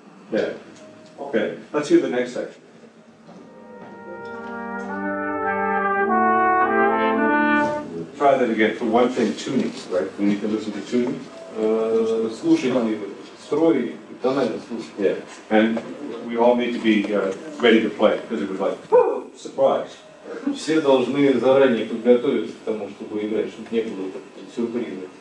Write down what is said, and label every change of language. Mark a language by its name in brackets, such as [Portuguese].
[English] Yeah. Okay. Let's hear the next section. Try that again. For one thing, tuning, right? We need to listen to tuning. [Russian] Слушай, строй, тональный слушай. [English] Yeah. And we all need to be ready to play, because it was like, surprise. [Russian] Все должны заранее подготовиться к тому, чтобы играть, чтобы не было сюрпризов.